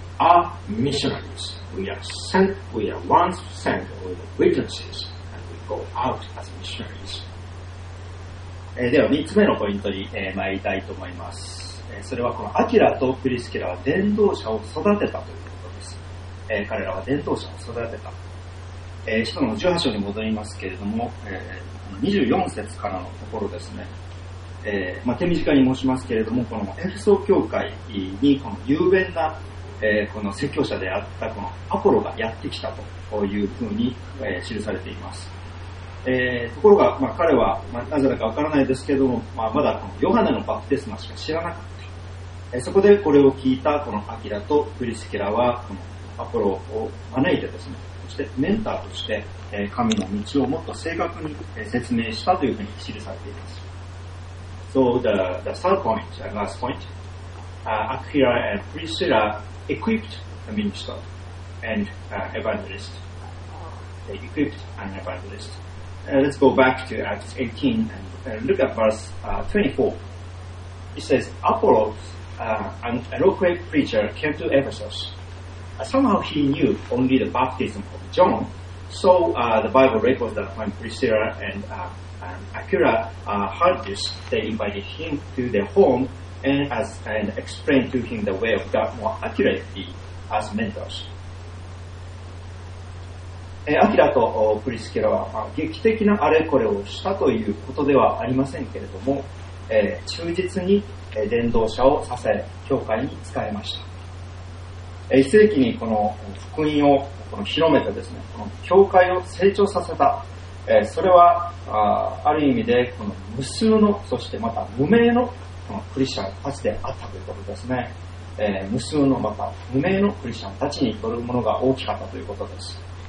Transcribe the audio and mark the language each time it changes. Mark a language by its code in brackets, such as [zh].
[en] Are missionaries. We are once sent with witnesses, and we go out as missionaries. [ja] では3つ目のポイントに、参りたいと思います。それはこのアキラとプリスキラは伝道者を育てたということです。彼らは伝道者を育てた。使徒の18章に戻りますけれども、24節からのところですね。手短に申しますけれども、このエフソ教会にこの雄弁なこの説教者であったこのアポロがやってきたというふうに記されています。ところが、彼はなぜだかわからないですけども、まだこのヨハネのバプテスマしか知らなかった。そこでこれを聞いたこのアキラとプリスキラはこのアポロを招いてですね、そしてメンターとして神の道をもっと正確に説明したというふうに記されています。 [en] So the third point, the last point、Aquila and Priscillaequipped a minister and evangelist. They equipped an evangelist. let's go back to Acts 18 and look at verse 24. It says, Apollos, an eloquent preacher, came to Ephesus. Somehow he knew only the baptism of John, so the Bible records that when Priscilla and Aquila heard this, they invited him to their home and explained to him the way of God more accurately as mentors. [ja] アキラとプリスキラは、まあ、劇的なあれこれをしたということではありませんけれども、忠実に伝道者を支え教会に使えました。一世紀にこの福音を広めてですね、この教会を成長させた、それは ある意味でこの無数のそしてまた無名 このクリスチャンたちであったということですね、無数のまた無名のクリスチャンたちにとるものが大きかったということです。